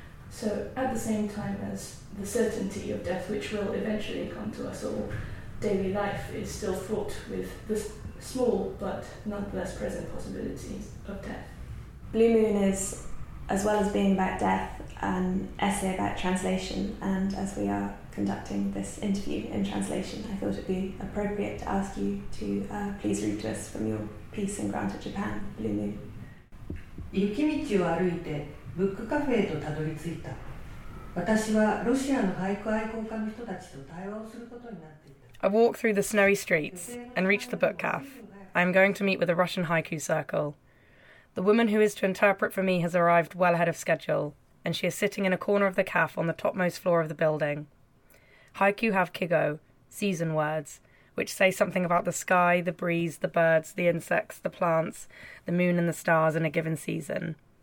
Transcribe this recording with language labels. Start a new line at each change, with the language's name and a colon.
English: So at the same time as the certainty of death, which will eventually come to us all, daily life is still fraught with the small, but nonetheless present possibilities of death. Blue Moon is, as well as being about death, an essay about translation, and as we are conducting this interview in translation, I thought it'd be appropriate to ask you to please read to us from your piece in Granter Japan, Blue Moon.
Japanese: 雪道を歩いてブックカフェへとたどり着いた。私はロシアの俳句愛好家の人たちと対話をすることになっていた。
English: I walk through the snowy streets and reach the book cafe. I am going to meet with a Russian haiku circle. The woman who is to interpret for me has arrived well ahead of schedule, and she is sitting in a corner of the cafe on the topmost floor of the building. Haiku have kigo, season words, which say something about the sky, the breeze, the birds, the insects, the plants, the moon and the stars in a given season.